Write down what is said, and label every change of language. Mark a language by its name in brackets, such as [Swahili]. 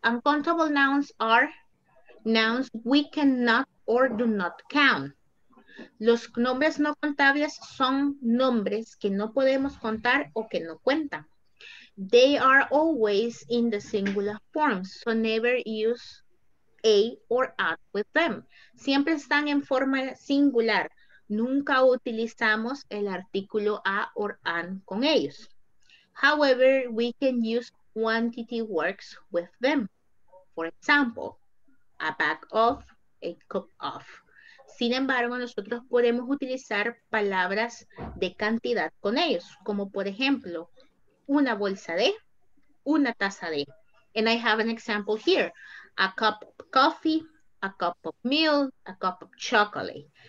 [English] Uncountable nouns are nouns we cannot or do not count. [Spanish] Los nombres no contables son nombres que no podemos contar o que no cuentan. [English] They are always in the singular form, so never use a or at with them. [Spanish] Siempre están en forma singular. Nunca utilizamos el artículo a o an con ellos. [English] However, we can use quantity works with them. For example, a bag of, a cup of. [Spanish] Sin embargo, nosotros podemos utilizar palabras de cantidad con ellos, como por ejemplo, una bolsa de, una taza de. [English] And I have an example here. A cup of coffee, a cup of milk, a cup of chocolate.